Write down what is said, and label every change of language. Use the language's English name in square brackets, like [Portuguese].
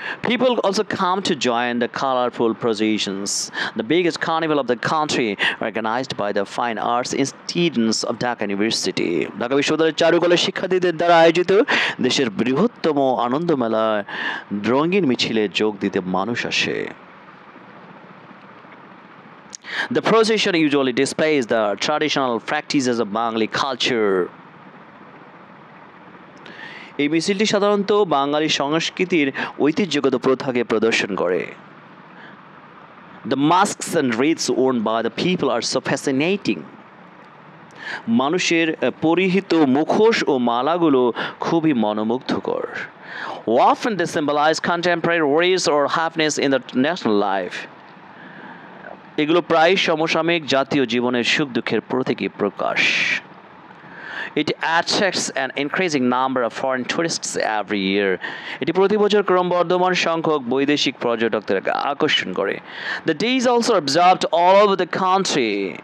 [English] People also come to join the colorful processions. The biggest carnival of the country organized by the Fine Arts Institutes of Dhaka University. [Bangla] Dhaka বিশ্ববিদ্যালয়ের চারুকলা শিক্ষার্থীদের দ্বারা আয়োজিত দেশের বৃহত্তম আনন্দ মেলায় রঙিন মিছিলে যোগ দিতে মানুষ আসে। [English] The procession usually displays the traditional practices of Bengali culture. [Bangla] এই মিছিলটি সাধারণত বাঙালি সংস্কৃতির ঐতিহ্যগত প্রথাকে প্রদর্শন করে। [English] The masks and wreaths worn by the people are so fascinating. [Bangla] মানুষের পরিহিত মুখোশ ও মালাগুলো খুবই মনোমুগ্ধকর। [English] Often they symbolize contemporary worries or happiness in the national life. [Bangla] এগুলো প্রায় সমসাময়িক জাতীয় জীবনের সুখ দুঃখের প্রতীকী প্রকাশ। [English] It attracts an increasing number of foreign tourists every year. [Bangla] এটি প্রতি বছর ক্রমবর্ধমান সংখ্যক বৈদেশিক পর্যটকদের আকর্ষণ করে। [English] The day is also observed all over the country.